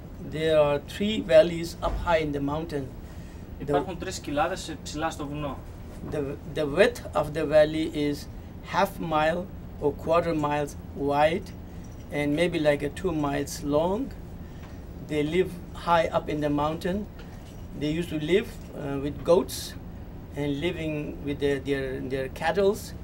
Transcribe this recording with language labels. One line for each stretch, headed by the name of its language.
English: There are three valleys up high in the mountain.
Greek: Υπάρχουν τρεις κοιλάδες ψηλά στο βουνό.
English: The width of the valley is half mile or quarter miles wide. And maybe like a 2 miles long. They live high up in the mountain. They used to live with goats and living with their cattle.